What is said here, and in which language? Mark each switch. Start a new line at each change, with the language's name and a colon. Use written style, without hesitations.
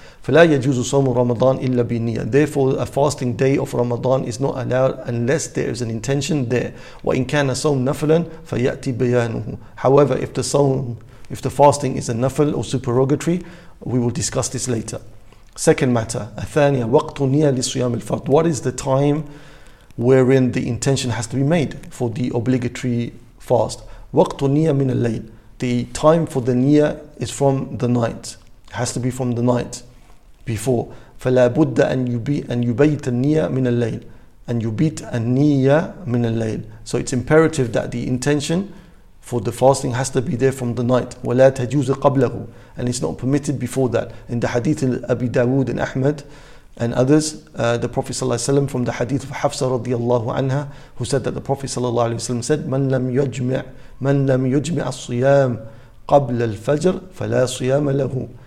Arabic: فَلَا يَجُوزُ صَوْمُ رَمَضَانِ إِلَّا بِالنِّيَّةِ.
English: Therefore, a fasting day of Ramadan is not allowed unless there is an intention there.
Arabic: وَإِنْ كَانَ صَوْمُ نَفْلًا فَيَأْتِ بَيَانُهُ.
English: However, if the fasting is a nafl or supererogatory, we will discuss this later. Second matter,
Arabic: الثانية, وقت نية لصيام الفرض.
English: What is the time wherein the intention has to be made for the obligatory fast?
Arabic: وقت نية من الليل.
English: The time for the نية is from the night. It has to be from the night before.
Arabic: فلا بد أن يبيت النية من الليل. أن يبيت النية من الليل.
English: So it's imperative that the intention for the fasting has to be there from the night.
Arabic: وَلَا تَجُوزِ قَبْلَهُ.
English: And it's not permitted before that. In the hadith of Abi Dawood and Ahmad, and others, the Prophet ﷺ from the hadith of Hafsa radiallahu anha, who said that the Prophet ﷺ said,
Arabic: Man lam yujmi as-siyam qabla al-fajr, fala siyama lahu.